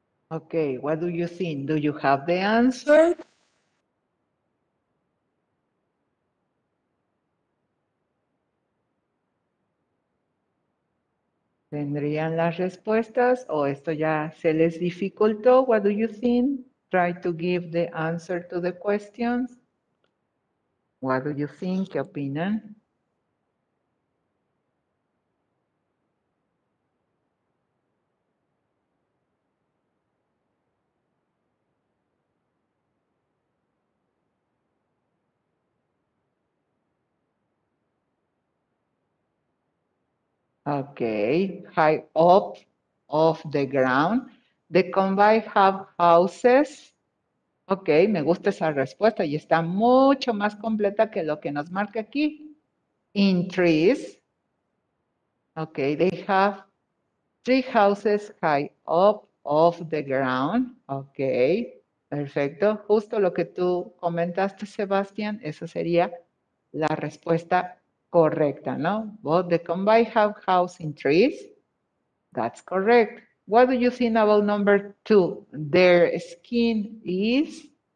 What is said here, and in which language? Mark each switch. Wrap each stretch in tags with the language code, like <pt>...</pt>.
<en>Okay, what do you think? Do you have the answer?</en> <es>¿Tendrían las respuestas o esto ya se les dificultó?</es> <en>What do you think? Try to give the answer to the questions. What do you think?</en> <es>¿Qué opinan?</es> <en>Okay, high up off the ground. The combine have houses.</en> <es>Okay, me gusta esa respuesta y está mucho más completa que lo que nos marca aquí.</es> <en>In trees. Okay, they have three houses high up off the ground.</en> <es>Okay, perfecto. Justo lo que tú comentaste, Sebastián, esa sería la respuesta correcta, ¿no?</es> <en>Both the combine have house in trees. That's correct. What do you think about number two? Their skin is.</en>